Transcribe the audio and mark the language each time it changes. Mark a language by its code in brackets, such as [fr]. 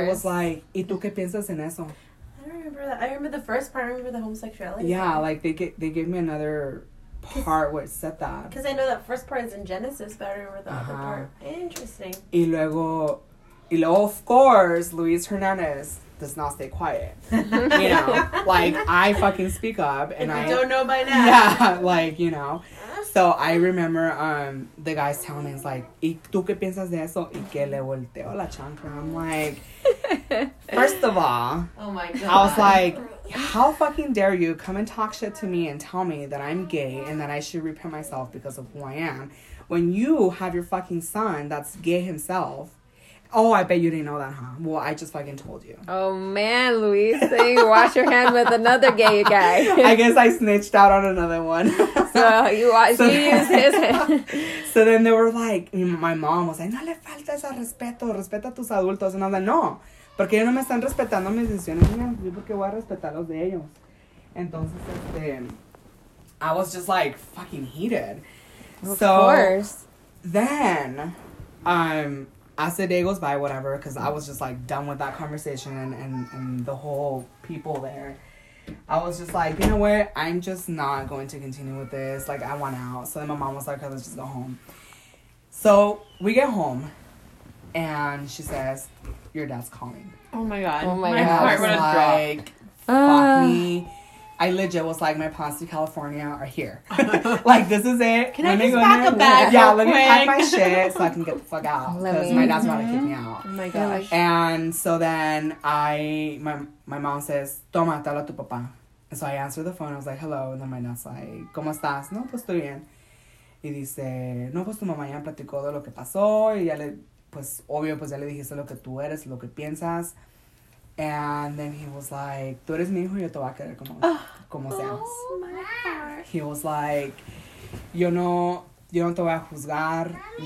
[en] He was like, [es] ¿y tú qué piensas en eso? [en] I don't remember that. I remember the first part. I remember the homosexuality. Yeah, like, they gave me another part where it said that. Because I know that first part is in Genesis, but I remember the other part. Interesting. [es] Y luego, [en] of course, Luis Hernandez does not stay quiet. You know, like, I fucking speak up, and if you don't know by now. Yeah, like, you know. So I remember the guy's telling me, he's like, [es] ¿y tú qué piensas de eso? ¿Y qué le volteo la chancla? [en] I'm like, first of all, oh my God. I was like, how fucking dare you come and talk shit to me and tell me that I'm gay and that I should repent myself because of who I am when you have your fucking son that's gay himself. Oh, I bet you didn't know that, huh? Well, I just fucking told you. Oh, man, Luis. Saying, wash your hands with another gay guy. I guess I snitched out on another one. So he used his. So then they were like, my mom was like, [es] no le falta ese respeto. Respeta a tus adultos. [en] And I was like, no. [es] Porque ellos no me están respetando mis decisiones. Yo porque voy a respetar los de ellos. Entonces, [en] I was just like fucking heated. Of course. Then, as the day goes by, whatever, because I was just, like, done with that conversation and the whole people there. I was just like, you know what? I'm just not going to continue with this. Like, I want out. So then my mom was like, let's just go home. So we get home, and she says, your dad's calling. Oh, my God. My heart would have dropped. Like, fuck me. I legit was like, my pops to California are here. Like, this is it. Can let I just pack a bag? Yeah, let me pack my shit so I can get the fuck out. Because my dad's about to kick me out. Oh my gosh. And so then my mom says, [es] toma, te habla tu papá. [en] And so I answer the phone. I was like, hello. And then my dad's like, [es] ¿cómo estás? No, pues estoy bien. Y dice, no, pues tu mamá ya platicó de lo que pasó. Y ya le, pues obvio, pues ya le dijiste lo que tú eres, lo que piensas. [en] And then he was like, [es] tú eres mi hijo, yo te voy a querer como seas. [en] Oh, my gosh. He was like, [es] yo no te voy a juzgar. Mami.